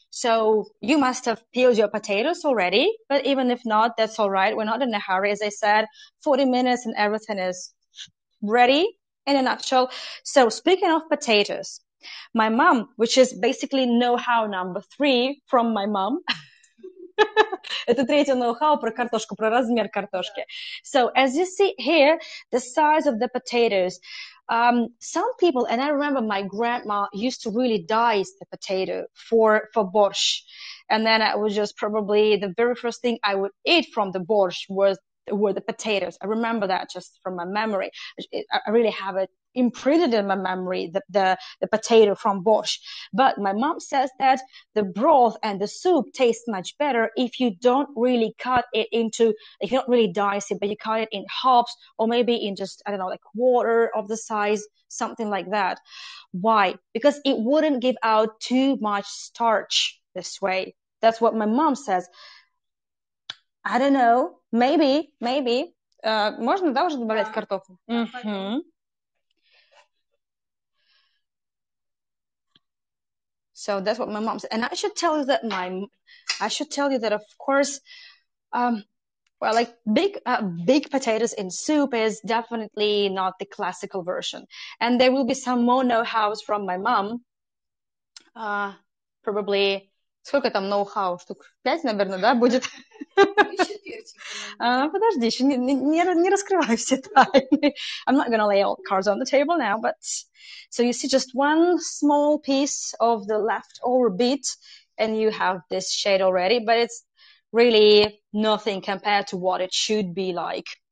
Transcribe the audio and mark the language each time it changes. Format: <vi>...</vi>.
<en>So you must have peeled your potatoes already. But even if not, that's all right. We're not in a hurry. As I said, 40 minutes and everything is ready in a nutshell. So speaking of potatoes, my mom, which is basically know-how number three from my mom.</en> <ru>Это третье know-how про картошку, про размер картошки.</ru> <en>So as you see here, the size of the potatoes. Some people, and I remember my grandma used to really dice the potato for borscht. And then it was just probably the very first thing I would eat from the borscht were the potatoes. I remember that just from my memory. I really have it imprinted in my memory, the potato from borscht. But my mom says that the broth and the soup taste much better if you don't really cut it into, if you don't really dice it, but you cut it in halves or maybe in just, I don't know, like quarter of the size, something like that. Why? Because it wouldn't give out too much starch this way. That's what my mom says. I don't know. Maybe.</en> <ru>Можно, да, уже добавлять картофель? Mm-hmm.</ru> <en>So that's what my mom said. And I should tell you that, of course, big potatoes in soup is definitely not the classical version. And there will be some more know-hows from my mom.</en> <ru>Probably, сколько там know-how? Штук пять, наверное, да, будет? Подожди, еще не раскрывай все тайны.</ru> <en>I'm not going to lay all cards on the table now, but so you see just one small piece of the leftover bit and you have this shade already, but it's really nothing compared to what it should be like.</en>